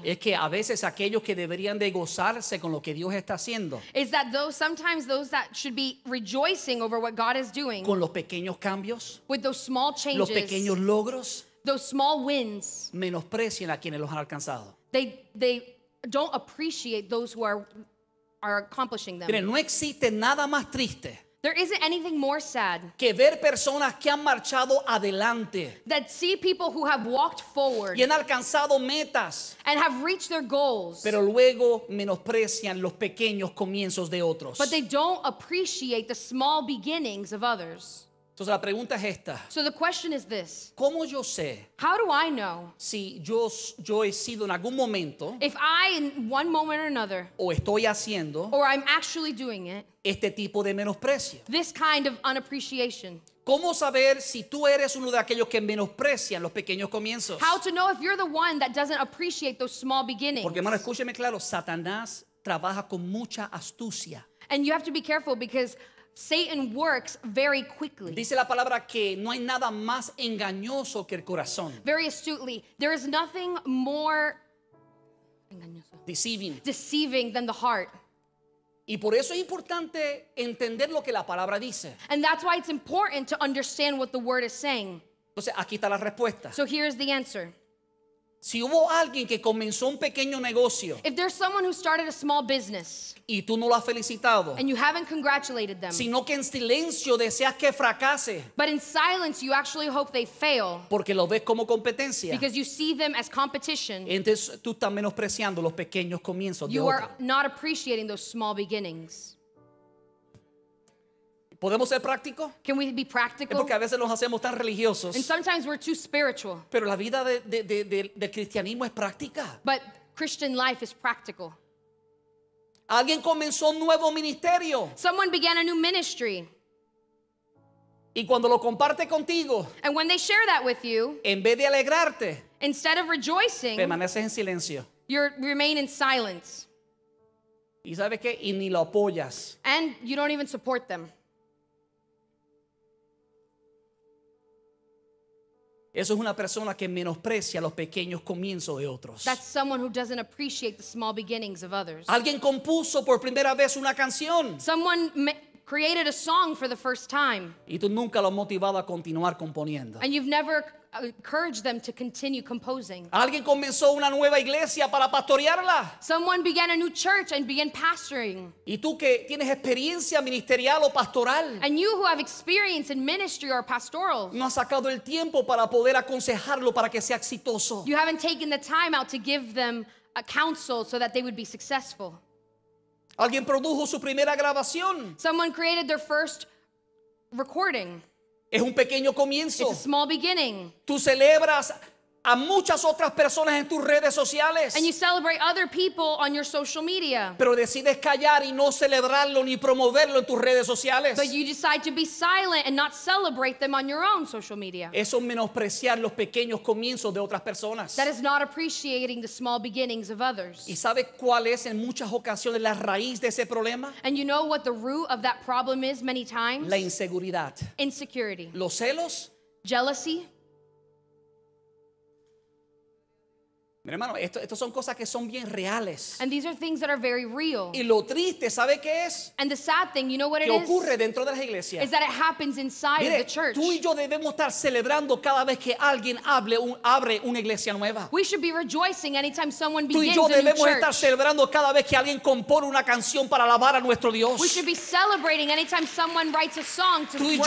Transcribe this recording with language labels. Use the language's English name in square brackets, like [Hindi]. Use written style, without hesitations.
[Spanish] Es que a veces aquellos que deberían de gozarse con lo que Dios está haciendo. [English] Is that those sometimes those that should be rejoicing over what God is doing. [Spanish] Con los pequeños cambios. [English] With those small changes. [Spanish] Los pequeños logros. [English] Those small wins. [Spanish] Menosprecian a quienes los han alcanzado. [English] They don't appreciate those who are accomplishing them. [Spanish] Mire, no existe nada más triste. [English] There isn't anything more sad. [Spanish] Que ver personas que han marchado adelante. [English] That see people who have walked forward. [Spanish] Y han alcanzado metas. [English] And have reached their goals. [Spanish] Pero luego menosprecian los pequeños comienzos de otros. [English] But they don't appreciate the small beginnings of others. [Spanish] Entonces la pregunta es esta. [English] So the question is this. [Spanish] ¿Cómo yo sé? [English] How do I know? [Spanish] Si yo he sido en algún momento. [English] If I in one moment or another. [Spanish] O estoy haciendo. [English] Or I'm actually doing it. [Spanish] Este tipo de menosprecio. [English] This kind of unappreciation. [Spanish] ¿Cómo saber si tú eres uno de aquellos que menosprecian los pequeños comienzos? [English] How to know if you're the one that doesn't appreciate those small beginnings? [Spanish] Porque hermano, escúcheme claro, Satanás trabaja con mucha astucia. [English] And you have to be careful because Satan works very quickly. [Spanish] Dice la palabra que no hay nada más engañoso que el corazón. [English] Very astutely, there is nothing more engañoso. Deceiving than the heart. [Spanish] Y por eso es importante entender lo que la palabra dice. [English] And that's why it's important to understand what the word is saying. [Spanish] Entonces, aquí está la respuesta. [English] So here is the answer. [Spanish] Si hubo alguien que comenzó un pequeño negocio, [English] if there's someone who started a small business, [Spanish] y tú no lo has felicitado, [English] and you haven't congratulated them, [Spanish] sino que en silencio deseas que fracase, [English] but in silence you actually hope they fail, [Spanish] porque lo ves como competencia, [English] because you see them as competition, [Spanish] entonces tú estás menospreciando los pequeños comienzos [English] you [Spanish] de [English] are [Spanish] otro. [English] Not appreciating those small beginnings. [Spanish] ¿Podemos ser prácticos? [English] Can we be practical? [Spanish] Es porque a veces nos hacemos tan religiosos. [English] And sometimes we're too spiritual. [Spanish] Pero la vida del cristianismo es práctica. [English] But Christian life is practical. [Spanish] Alguien comenzó un nuevo ministerio. [English] Someone began a new ministry. [Spanish] Y cuando lo comparte contigo, [English] and when they share that with you, [Spanish] en vez de alegrarte, [English] instead of rejoicing, [Spanish] permaneces en silencio. [English] You remain in silence. [Spanish] ¿Y sabes qué? Y ni lo apoyas. [English] And you don't even support them. [Spanish] Eso es una persona que menosprecia los pequeños comienzos de otros. [English] That's someone who doesn't appreciate the small beginnings of others. [Spanish] Alguien compuso por primera vez una canción. [English] Someone created a song for the first time. [Spanish] Y tú nunca lo has motivado a continuar componiendo. [English] And you've never encouraged them to continue composing. [Spanish] Alguien comenzó una nueva iglesia para pastorearla. [English] Someone began a new church and began pastoring. [Spanish] Y tú que tienes experiencia ministerial o pastoral. [English] And you who have experience in ministry or pastoral. [Spanish] No has sacado el tiempo para poder aconsejarlo para que sea exitoso. [English] You haven't taken the time out to give them a counsel so that they would be successful. [Spanish] Alguien produjo su primera grabación. [English] Someone created their first recording. [Spanish] Es un pequeño comienzo. [English] It's a small beginning. [Spanish] Tú celebras a muchas otras personas en tus redes sociales. [English] And you celebrate other people on your social media. [Spanish] Pero decides callar y no celebrarlo ni promoverlo en tus redes sociales. [English] But you decide to be silent and not celebrate them on your own social media. [Spanish] Eso es menospreciar los pequeños comienzos de otras personas. [English] That is not appreciating the small beginnings of others. [Spanish] ¿Y sabes cuál es en muchas ocasiones la raíz de ese problema? [English] And you know what the root of that problem is many times? [Spanish] La inseguridad. [English] Insecurity. [Spanish] Los celos. [English] Jealousy. [Spanish] Mi hermano, esto son cosas que son bien reales. [English] And these are things that are very real. [Spanish] Y lo triste, ¿sabe qué es? [English] And the sad thing, you know what it is? [Spanish] Que ocurre dentro de las iglesias. [English] Is that it happens inside [Spanish] Mire, [English] of the church. [Spanish] Tú y yo debemos estar celebrando cada vez que alguien abre una iglesia nueva. [English] We should be rejoicing anytime someone begins church. [Spanish] Tú y yo debemos estar celebrando cada vez que alguien compone una canción para alabar a nuestro Dios. [English] We should be celebrating anytime someone writes a song to worship God.